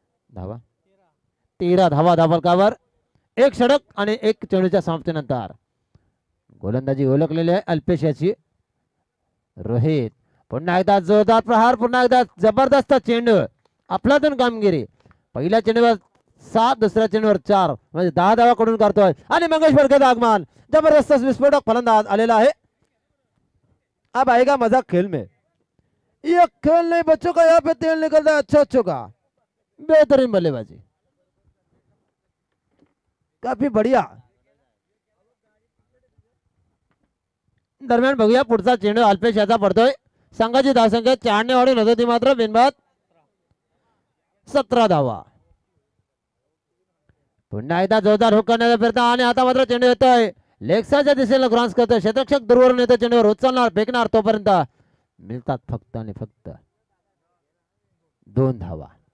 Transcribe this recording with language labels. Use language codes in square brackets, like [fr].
[mr] धावा 13 धावा धा फलकावर एक षटक आणि एक चेंडूच्या समाप्तीनंतर गोलंदाजी ओळखलेली आहे अल्पेश याची। रोहित पुन्हा एकदा जोरदार प्रहार, पुन्हा एकदा जबरदस्त चेंडू अफलातून कामगिरी, पहिल्या चेंडूवर 7 दुसऱ्या चेंडूवर 4 म्हणजे 10 धावा कडून करतोय आणि मंगेश फडकेचं आगमन, जबरदस्त विस्फोटक फलंदाज आलेला आहे। [hi] अब आएगा मजा खेल में, ये खेल नहीं बच्चों का, यहाँ पे तेल निकलता है, अच्छा अच्छों का बेहतरीन बल्लेबाजी, काफी बढ़िया। [mr] दरम्यान बघूया पुढचा चेंडू अल्पेश याचा पडतोय, संघाची धावसंख्या 4 ने वाढून होती मात्र बिनबाद 17 धावा। पुन्हा एकदा जोरदार हुक करण्याचा प्रयत्न आणि आता मात्र चेंडू येतोय लेक्साच्या दिशेने क्रॉस करतोय, क्षेत्ररक्षक दूरवरून येतो चेंडूवर उचलणार फेकणार, तोपर्यंत मिळतात फक्त आणि फक्त 2 धावा।